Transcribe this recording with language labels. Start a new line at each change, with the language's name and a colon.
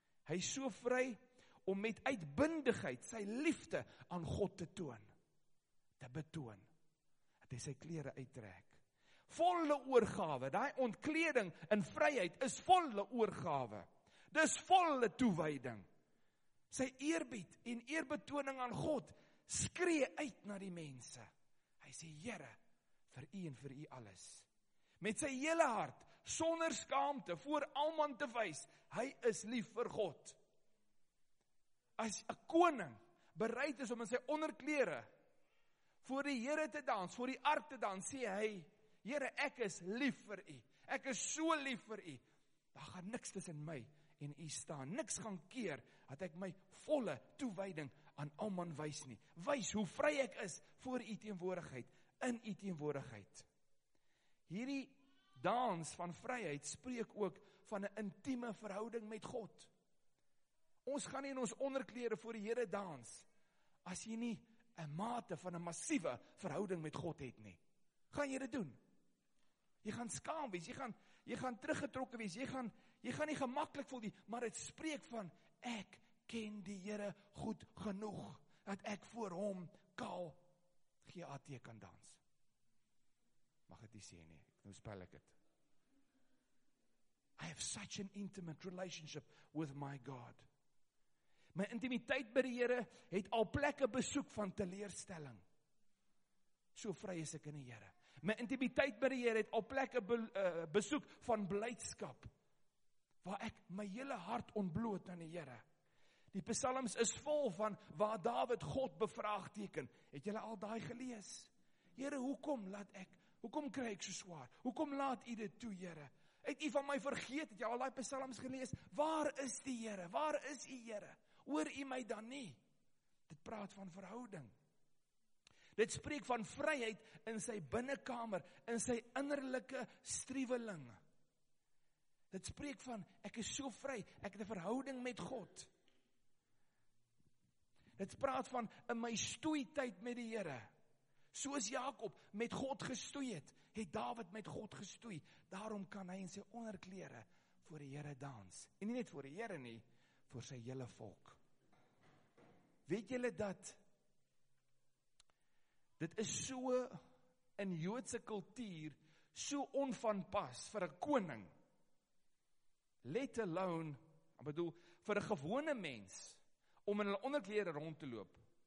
Afrikaans: Hy is so vry om met uitbundigheid sy liefde aan God te toon, te betoon, dat hy sy klere uittrek. Volle oorgawe, die ontkleding in vryheid is volle oorgawe. Dis volle toewyding. Sy eerbied en eerbetoning aan God skree uit na die mense. Hy sê, Here, vir u en vir u alles. Met sy hele hart, sonder skaamte, voor almal te wys, hy is lief vir God. As 'n koning bereid is om in sy onderklere voor die Here te dans, voor die ark te dans, sê hy, Here, ek is lief vir u. Ek is so lief vir u. Daar gaan niks tussen my en u staan. Niks gaan keer dat ek my volle toewyding aan almal wys nie. Wys hoe vry ek is voor u teenwoordigheid, in u teenwoordigheid. Hierdie dans van vryheid spreek ook van 'n intieme verhouding met God. Ons gaan nie in ons onderklere voor die Here dans as jy nie 'n mate van 'n massiewe verhouding met God het nie. Gaan jy dit doen? Jy gaan skaam wees, jy gaan teruggetrokke wees, jy gaan nie gemaklik voel nie, maar dit spreek van ek ken die Here goed genoeg dat ek voor hom kaal GAT kan dans. Mag ek dit sê nie? Nou spel ek dit.
English: I have such an intimate relationship with my God.
Afrikaans: My intimiteit by die Here het al plekke besoek van teleurstelling. So vry is ek in die Here. My intimiteit by die Here het al plekke besoek van blydskap waar ek my hele hart ontbloot aan die Here. Die psalms is vol van waar Dawid God bevraagteken. Het julle al daai gelees? Here, hoekom kry ek so swaar? Hoekom laat u dit toe, Here? Het u van my vergeet? Het jy al daai psalms gelees? Waar is die Here? Waar is u, Here? Hoor u my dan nie? Dit praat van verhouding. Dit spreek van vryheid in sy binnekamer, in sy innerlike striweling. Dit spreek van, ek is so vry, ek het 'n verhouding met God. Dit praat van, in my stoeityd met die Here. Soos Jakob met God gestoei het, het Dawid met God gestoei. Daarom kan hy in sy onderklere voor die Here dans. En nie net voor die Here nie, voor sy hele volk. Weet julle dat, dit is so in Joodse kultuur, so onvanpas vir 'n koning,
English: let alone,
Afrikaans: ek bedoel, vir 'n gewone mens, om in hulle onderklere rond te loop.